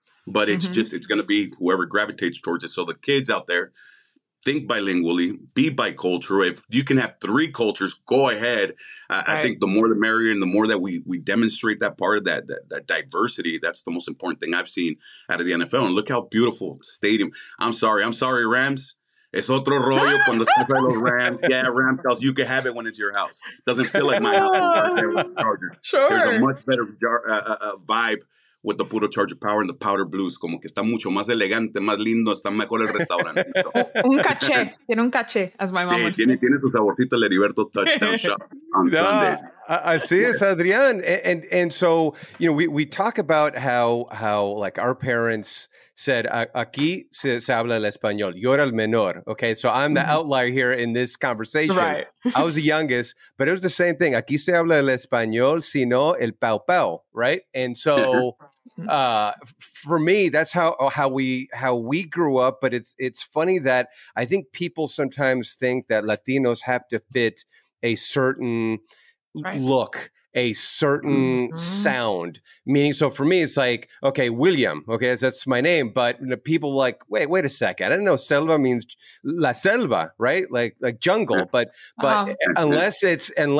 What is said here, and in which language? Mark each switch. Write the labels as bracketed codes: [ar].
[en] But it's just, it's going to be whoever gravitates towards it. So the kids out there, think bilingually, be bicultural. If you can have three cultures, go ahead. I think the more the merrier, and the more that we demonstrate that part of that diversity, that's the most important thing I've seen out of the NFL. And look how beautiful stadium. I'm sorry, Rams. [es] Es otro rollo cuando se fue los Rams. [en] Yeah, Rams, because you can have it when it's your house. It doesn't feel like my house. There's a much better vibe with the puro Charger Power and the powder blues, [es] como que está mucho más elegante, más lindo, está mejor el restaurante. Un caché, tiene un caché, [en] as my mom would [es] say. Tiene su saborcito el Heriberto Touchdown Shop [en] on Sundays. [es] Así es, [en] Adrián. And so, you know, we talk about how like our parents said, [es] aquí se habla el español, yo era el menor. [en] Okay, so I'm the outlier here in this conversation. Right. I was the youngest, but it was the same thing. [es] Aquí se habla el español, sino el pau pau, right? [en] And so for me, that's how we grew up. But it's funny that I think people sometimes think that Latinos have to fit a certain look, a certain sound, meaning, so for me, it's like, okay, William, okay, that's my name, but you know, people like, wait a second, I don't know, selva means [es] la selva, [en] right? Like jungle, but unless it's